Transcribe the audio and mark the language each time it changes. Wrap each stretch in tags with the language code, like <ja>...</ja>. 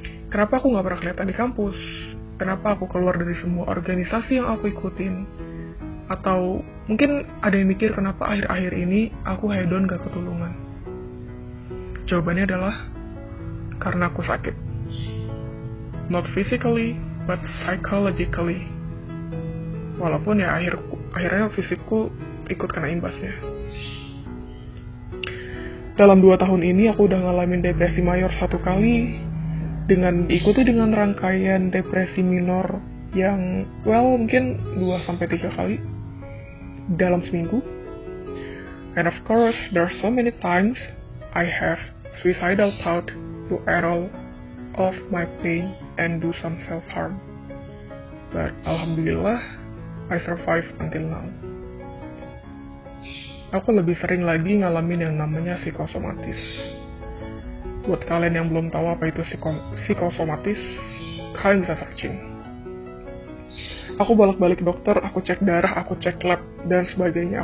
<id>Kenapa aku gak pernah kelihatan di kampus? Kenapa aku keluar dari semua organisasi yang aku ikutin? Atau mungkin ada yang mikir kenapa akhir-akhir ini aku hedon gak ketulungan? Jawabannya adalah, karena aku sakit.</id> <en>Not physically, but psychologically.</en> <id>Walaupun ya akhirnya fisikku ikut kena imbasnya. Dalam 2 tahun ini aku udah ngalamin depresi mayor 1 kali, dengan diikuti dengan rangkaian depresi minor yang, well, mungkin 2-3 kali dalam seminggu.</id> <en>And of course, there are so many times I have suicidal thought to end all of my pain and do some self-harm. But alhamdulillah, I survive until now.</en> <id>Aku lebih sering lagi ngalamin yang namanya psikosomatis. Buat kalian yang belum tahu apa itu psikosomatis, kalian bisa searching. Aku bolak-balik dokter, aku cek darah, aku cek lab, dan sebagainya.</id>